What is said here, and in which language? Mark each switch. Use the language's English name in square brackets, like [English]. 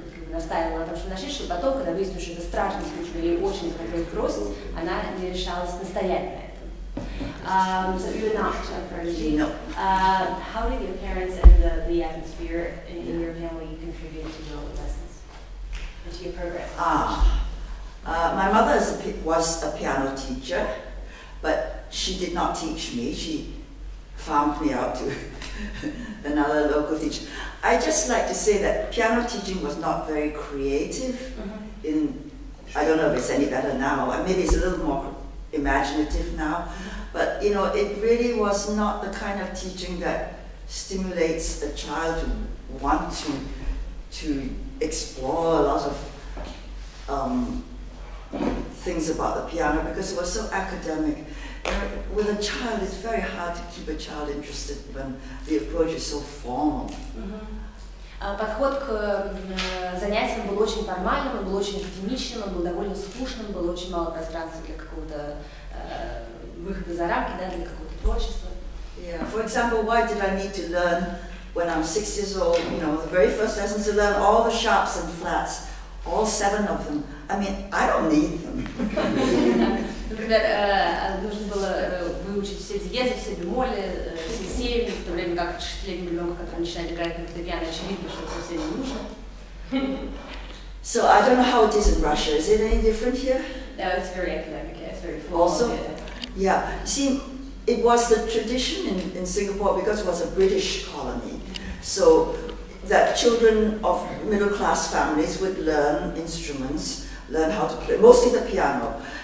[Russian] настаивала на том, что нашли, чтобы потом, когда выяснилось, что это страшно, скучно, ей очень захотелось бросить, она не решалась настоять на этом. [English] So you were not a child prodigy. No. How did your parents and the atmosphere in your family contribute to your lessons, to your progress? My mother was a piano teacher, but she did not teach me. She farmed me out to another local teacher. I just like to say that piano teaching was not very creative. Mm-hmm. In I don't know if it's any better now. Maybe it's a little more imaginative now. But you know, it really was not the kind of teaching that stimulates a child to want to explore a lot of things about the piano because it was so academic. With a child, it's very hard to keep a child interested when the approach is so formal. Mm-hmm. [Russian] Подход к занятиям был очень формальным, он был очень академичным, он был довольно скучным, было очень мало пространства для какого-то выхода за рамки, да, для какого-то творчества. [English] Yeah. For example, why did I need to learn when I'm 6 years old? You know, the very first lesson to learn all the sharps and flats, all 7 of them. I mean, I don't need them. [Russian] Например, нужно было выучить все диезы, все бемоли, все семьи, в то время как четырехлетний ребенок, который начинает играть на фортепиано, очевидно, что это совсем не нужно. [English] So I don't know how it is in Russia. Is it any different here? No, it's very academic. Yeah, it's very formal. Also, yeah. See, it was the tradition in Singapore because it was a British colony, so that children of middle class families would learn instruments, learn how to play, mostly the piano.